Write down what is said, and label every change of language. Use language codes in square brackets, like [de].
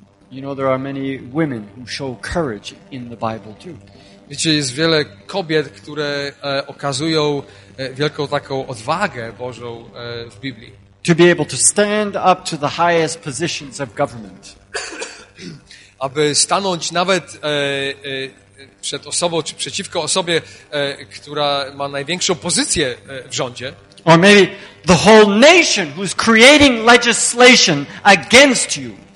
[en] You know there are many women who show courage in the Bible too. [pl] Wiecie, jest wiele kobiet, które okazują wielką taką odwagę Bożą w Biblii. [en] To be able to stand up to the highest positions of government. [pl] Aby stanąć nawet przed osobą czy przeciwko osobie, która ma największą pozycję w rządzie. [en] Or maybe the whole nation who's creating legislation against you.